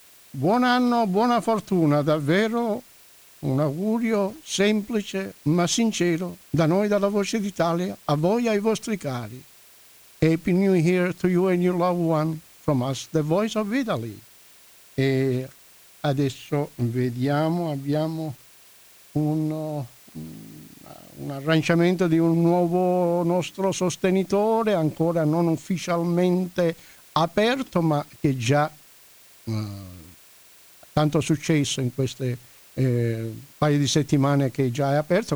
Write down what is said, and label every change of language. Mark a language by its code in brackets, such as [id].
[it] buon anno, buona fortuna, davvero un augurio semplice ma sincero da noi dalla Voce d'Italia a voi e ai vostri cari. [en] Happy New Year to you and your loved one from us, the Voice of Italy. [it] E adesso vediamo, abbiamo un arrangiamento di un nuovo nostro sostenitore, ancora non ufficialmente aperto, ma che già tanto successo in queste paio di settimane che già è aperto.